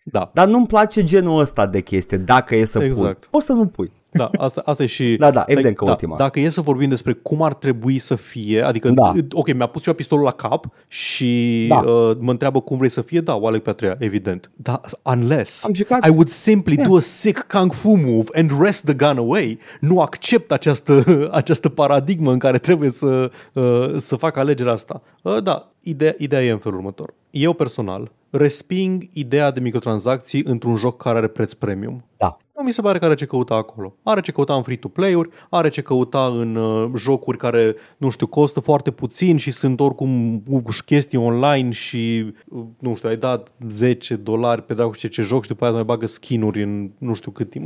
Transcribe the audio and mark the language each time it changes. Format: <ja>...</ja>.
<ro>Da. Dar nu-mi place genul ăsta de chestie, dacă e să, exact, pui. Poți să nu pui. Da, asta e și... Da, evident, like, că ultima. Da, dacă e să vorbim despre cum ar trebui să fie, adică, da, ok, mi-a pus și eu pistolul la cap și mă întreabă cum vrei să fie, da, o aleg pe a treia, evident. Da, unless... Am jucat...</ro> <en>I would simply do a sick kung fu move and rest the gun away.</en> <ro>Nu accept această paradigmă în care trebuie să fac alegerea asta. Da, ideea e în felul următor. Eu personal resping ideea de microtransacții într-un joc care are preț premium. Da. Nu mi se pare că are ce căuta acolo. Are ce căuta în free-to-play-uri, are ce căuta în jocuri care, nu știu, costă foarte puțin și sunt oricum chestii online și, nu știu, ai dat $10 pe dracu și ce joc și după aia mai bagă skin-uri în nu știu cât timp.</ro>